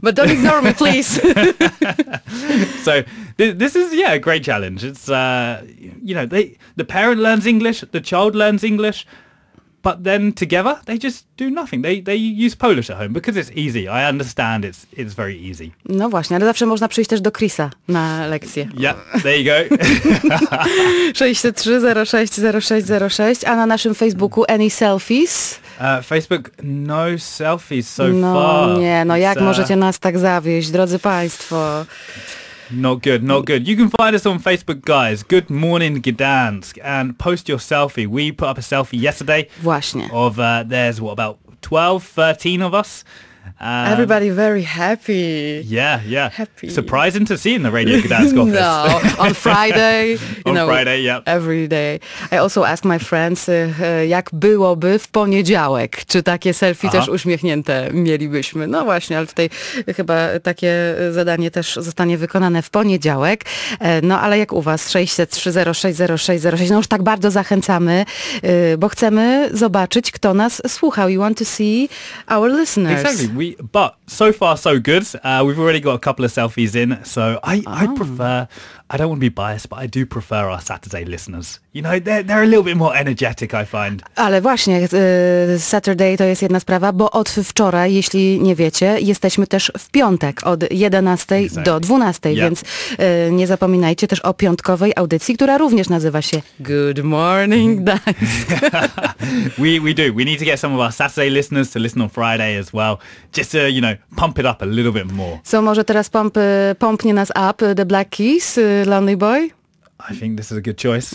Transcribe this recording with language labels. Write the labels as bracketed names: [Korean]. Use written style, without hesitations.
[English] But don't ignore me, please. So this is, yeah, a great challenge. It's, you know, the parent learns English, the child learns English, but then together they just do nothing. They use Polish at home because it's easy. I understand it's very easy. [Polish] No właśnie, ale zawsze można przyjść też do Chrisa na lekcję. [English] Yeah, there you go. [Polish] 63060606, a na naszym Facebooku Any Selfies? [English] Facebook, no selfies so far. [Polish] No nie, no jak możecie nas tak zawieść, drodzy państwo? [English] Not good, not good. You can find us on Facebook, guys. Good morning, Gdansk. And post your selfie. We put up a selfie yesterday. [Polish] Właśnie. [English] Of, there's, what, about 12, 13 of us? Everybody very happy. Yeah, yeah. Happy. Surprising to see in the Radio Gdansk office. No, on Friday. On know, Friday, yeah. Every day. I also ask my friends, [Polish] jak byłoby w poniedziałek? Czy takie selfie też uśmiechnięte mielibyśmy? No właśnie, ale tutaj chyba takie zadanie też zostanie wykonane w poniedziałek. No ale jak u was? 603060606. No już tak bardzo zachęcamy, bo chcemy zobaczyć, kto nas słuchał. [English] You want to see our listeners. Exactly. But so far so good. We've already got a couple of selfies in, so I don't want to be biased, but I do prefer our Saturday listeners. You know, they're a little bit more energetic, I find. [Polish] Ale właśnie, Saturday to jest jedna sprawa, bo od wczoraj, jeśli nie wiecie, jesteśmy też w piątek od 11 [English] exactly. [Polish] do 12, [English] yep. [Polish] więc nie zapominajcie też o piątkowej audycji, która również nazywa się Good Morning Gdańsk. [English] we do. We need to get some of our Saturday listeners to listen on Friday as well. Just to, you know, pump it up a little bit more. [Polish] So może teraz pompnie nas up The Black Keys, Lonely Boy? [English] I think this is a good choice.